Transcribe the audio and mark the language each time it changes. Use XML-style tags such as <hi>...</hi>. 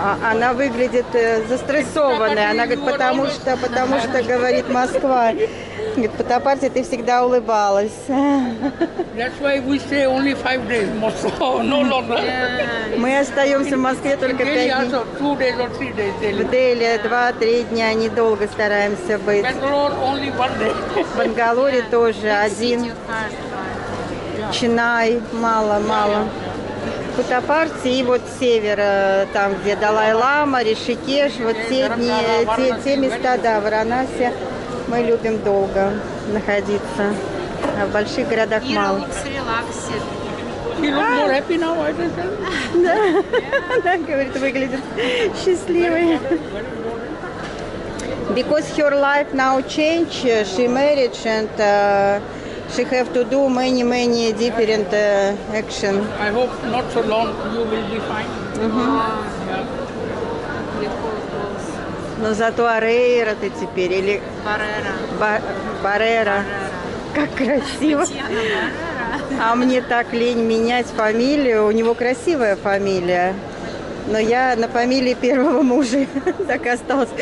<ru>Она выглядит застрессованная. Она говорит, потому что, говорит, Москва. Говорит, по топарте ты всегда улыбалась.</ru> <en>That's why we stay only 5 days in Moscow, no longer.</en> <ru>Мы остаемся в Москве только 5 дней.</ru> <en>In Delhi also 2 days or 3 days.</en> <ru>В Дели 2-3 дня, недолго стараемся быть.</ru> <en>Bangalore only 1 day.</en> <ru>В Бангалоре тоже один. Чинай, мало. Путапарти и вот север, там, где Далай-Лама, Ришикеш, вот те места, да, Варанаси, мы любим долго находиться, а в больших городах мало.</ru> <en>He looks relaxed. He looks more happy now, I think.</en> <ru>Да, она говорит, выглядит счастливой.</ru> <en>Because her life now changed, she married and... She have to do many different action. I hope not so long you will be fine.</en> <ru>Но зато Арейра ты теперь или Барера. Как красиво. Татьяна, а мне так лень менять фамилию. У него красивая фамилия. Но я на фамилии первого мужа так и осталась.</ru>